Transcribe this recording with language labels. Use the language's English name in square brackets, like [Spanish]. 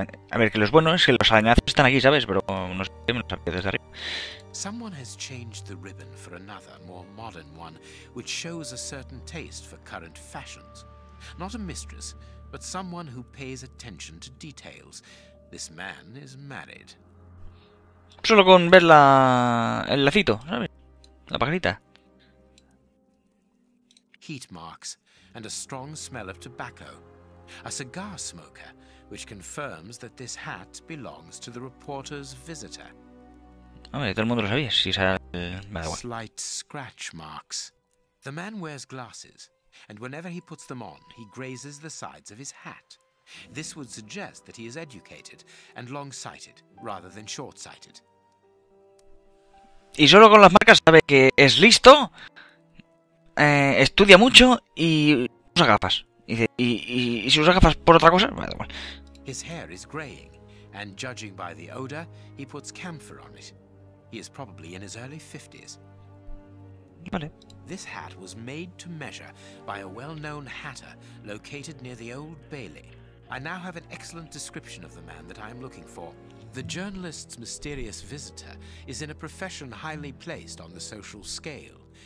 [Spanish] A ver, que lo bueno es que los arañazos están aquí, ¿sabes? Pero no sé, me los arañazos desde arriba. [English] Someone has changed the ribbon for another, more modern one, which shows a certain taste for current fashions. Not a mistress, but someone who pays attention to details. This man is married. [Spanish] Solo con ver la... el lacito, ¿sabes? La pajarita. [English] Heat marks and a strong smell of tobacco. A cigar smoker, which confirms that this hat belongs to the reporter's visitor. [Spanish] Hombre, todo el mundo lo sabía, si sale [English] el... Slight scratch marks. The man wears glasses, and whenever he puts them on, he grazes the sides of his hat. This would suggest that he is educated and long-sighted rather than short-sighted. [Spanish] Y solo con las marcas sabe que es listo, estudia mucho y usa gafas. Y si usa gafas por otra cosa, me da igual. [English] His hair is graying, and judging by the odor, he puts camphor on it. He is probably in his early 50s. [Spanish] Vale. [English] This hat was made to measure by a well-known hatter located near the Old Bailey. I now have an excellent description of the man that I am looking for. The journalist's mysterious visitor is in a profession highly placed on the social scale.